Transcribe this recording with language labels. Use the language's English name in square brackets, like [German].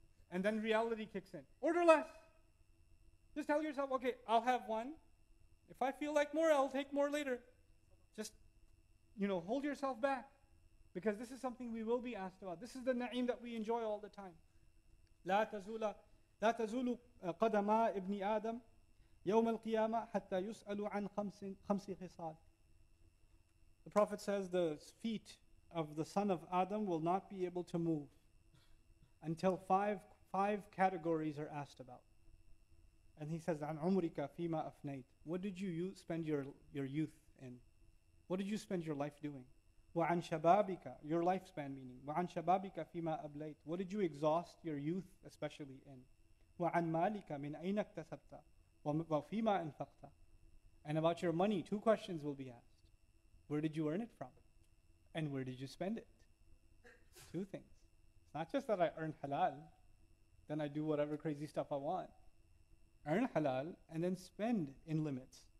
[English] And then reality kicks in. Order less. Just tell yourself, okay, I'll have one. If I feel like more, I'll take more later. Just, you know, hold yourself back. Because this is something we will be asked about. This is the na'im that we enjoy all the time. [Arabic] لا تزول قدما ابن آدم يوم القيامة حتى يسأل عن خمس خصال. [English] The Prophet says the feet of the son of Adam will not be able to move until five categories are asked about. And he says, [Arabic] عن عمرك فيما أفنيت. [English] What did you spend your youth in? What did you spend your life doing? [Arabic] وعن شبابك, [English] your lifespan meaning. [Arabic] وعن شبابك فيما أبليت. [English] What did you exhaust your youth especially in? [Arabic] وعن مالك من أين اكتسبت وفيما أنفقت. [English] And about your money, 2 questions will be asked. Where did you earn it from? And where did you spend it? 2 things. It's not just that I earn halal, then I do whatever crazy stuff I want. Earn halal and then spend in limits.